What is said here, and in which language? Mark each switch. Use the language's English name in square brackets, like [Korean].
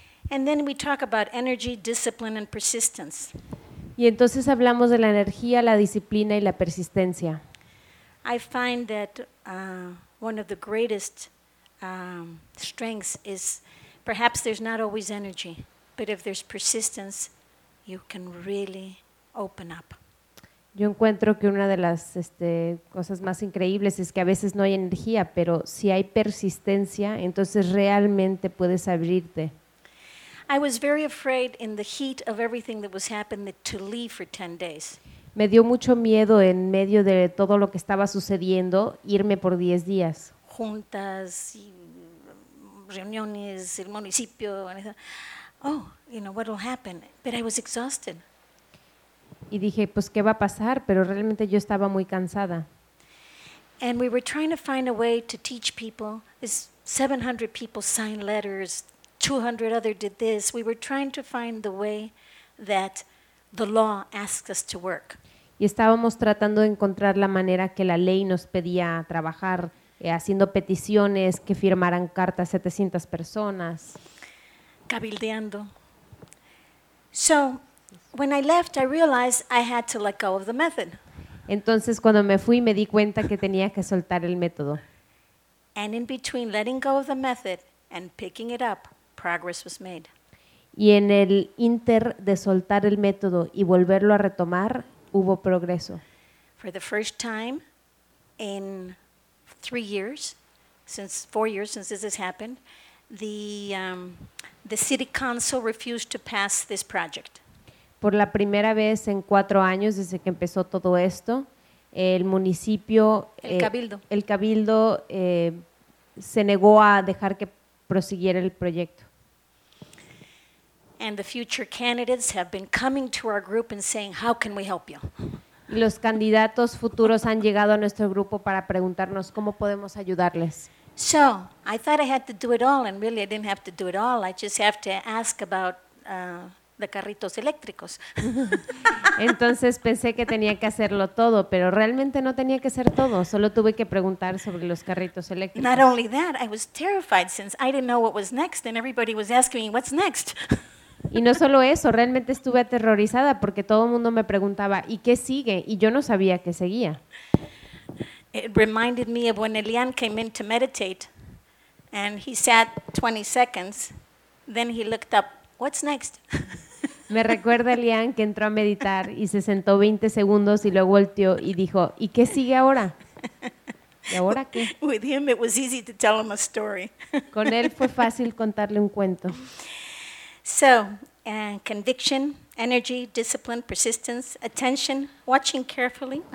[English] And then we talk about energy, discipline, and persistence. [Spanish] Y entonces hablamos de la energía, la disciplina y la persistencia. [English] I find that one of the greatest strengths is perhaps there's not always energy, but if there's persistence, you can really open up. [Spanish] Yo encuentro que una de las cosas más increíbles es que a veces no hay energía, pero si hay persistencia, entonces realmente puedes abrirte. [English] I was very afraid in the heat of everything that was happening to leave for 10 days. [Spanish] Me dio mucho miedo en medio de todo lo que estaba sucediendo irme por 10 días. Juntas, y reuniones, el municipio, [English] and I thought, what will happen? But I was exhausted. [Spanish] Y dije, pues qué va a pasar, pero realmente yo estaba muy cansada. [English] And we were trying to find a way to teach people. There's 700 people signed letters. 200 other did this. We were trying to find the way that the law asks us to work. [Spanish] Y estábamos tratando de encontrar la manera que la ley nos pedía trabajar, haciendo peticiones, que firmaran cartas 700 personas. Cabildeando. [English] So, when I left, I realized I had to let go of the method. [Spanish] Entonces, cuando me fui, me di cuenta que tenía que soltar el método. [English] And in between letting go of the method and picking it up, progress was made. [Spanish] Y en el inter de soltar el método y volverlo a retomar, hubo progreso. [English] For the first time in 3 years, since 4 years since this has happened, the city council refused to pass this project. [Spanish] Por la primera vez en 4 años desde que empezó todo esto, el municipio, el cabildo se negó a dejar que prosiguiera el proyecto. [English] And the future candidates have been coming to our group and saying, "How can we help you?" [Spanish] Los candidatos futuros han llegado a nuestro grupo para preguntarnos cómo podemos ayudarles. [English] So, I thought I had to do it all, and really I didn't have to do it all. I just have to ask about the carritos eléctricos. [Spanish] Entonces pensé que tenía que hacerlo todo, pero realmente no tenía que hacer todo. Solo tuve que preguntar sobre los carritos eléctricos. [English] Not only that, I was terrified since I didn't know what was next, and everybody was asking me what's next. [Spanish] Y no solo eso, realmente estuve aterrorizada porque todo el mundo me preguntaba, ¿y qué sigue? Y yo no sabía qué seguía. [English] It reminded me of when Elian came in to meditate and he sat 20 seconds, then he looked up, what's next? [Spanish] Me recuerda Elian que entró a meditar y se sentó 20 segundos y luego volteó y dijo, ¿y qué sigue ahora? ¿Y ahora qué? [English] With him it was easy to tell him a story. [Spanish] Con él fue fácil contarle un cuento. [English] So, conviction, energy, discipline, persistence, attention, watching carefully.